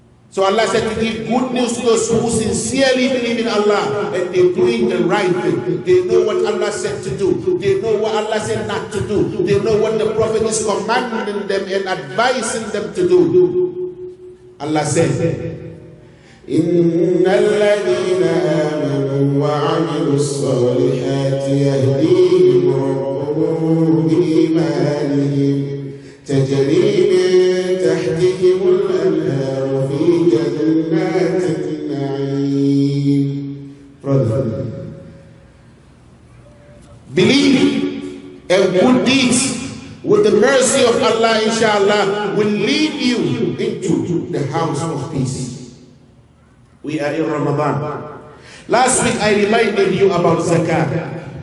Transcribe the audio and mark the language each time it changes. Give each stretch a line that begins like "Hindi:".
English: So Allah said to give good news to those who sincerely believe in Allah and they're doing the right thing. They know what Allah said to do. They know what Allah said not to do. They know what the Prophet is commanding them and advising them to do. Allah said,
Arabic: إن الذين آمنوا وعملوا الصالحات يهديهم ربهم بإيمانهم تجري من تحتهم الأنهار في جنات النعيم.
English: Brother, believe and good deeds with the mercy of Allah inshallah will lead you into the house of peace. We are in Ramadan. Last week I reminded you about zakat.